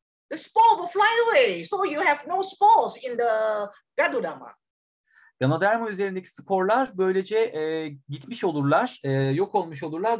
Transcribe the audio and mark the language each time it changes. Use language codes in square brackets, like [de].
[en] the spore will fly away. So you have no spores in the ganoderma. [tr] Ganoderma üzerindeki sporlar böylece gitmiş olurlar, yok olmuş olurlar.